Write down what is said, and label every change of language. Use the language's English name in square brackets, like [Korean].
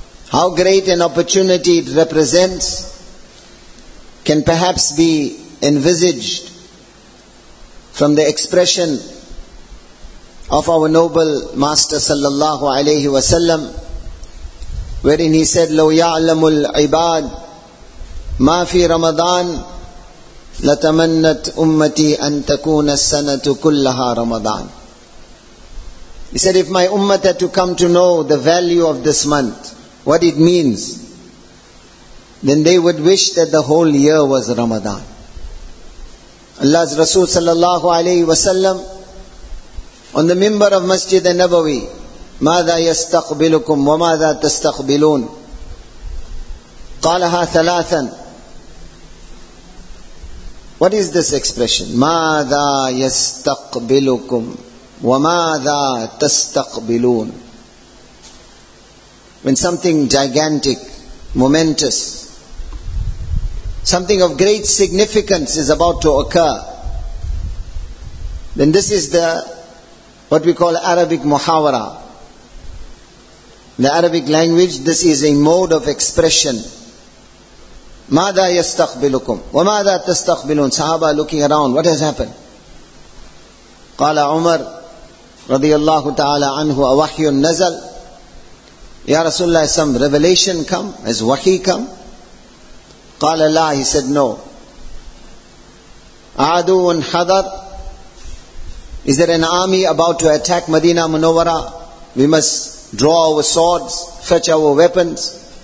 [English] How great an opportunity it represents can perhaps be envisaged from the expression of our noble master sallallahu alayhi wa sallam, wherein he said, [Arabic] لو يعلم العباد ما في رمضان لتمنت أمتي أن تكون السنة كلها رمضان. [English] He said, if my ummah had to come to know the value of this month, what it means, then they would wish that the whole year was Ramadan. Allah's Rasul sallallahu alayhi wa sallam, on the minbar of Masjid al-Nabawi, [Arabic] ماذا يستقبلكم وماذا تستقبلون؟ قالها ثلاثا. [English] What is this expression? [Arabic] ماذا يستقبلكم وماذا تستقبلون? [English] When something gigantic, momentous, something of great significance is about to occur, then this is the what we call Arabic muhawara. In the Arabic language, this is a mode of expression. [Arabic] ماذا يستقبلكم وماذا تستقبلون? [English] Sahaba looking around, what has happened? [Arabic] قال عمر رضي الله تعالى عنه أوحي نزل. [English] Ya Rasulullah, has some revelation come? Has wahi come? [Arabic] قال لا. [English] He said no. [Arabic] عدو حضر. [English] Is there an army about to attack Madinah Munawwara? We must draw our swords, fetch our weapons.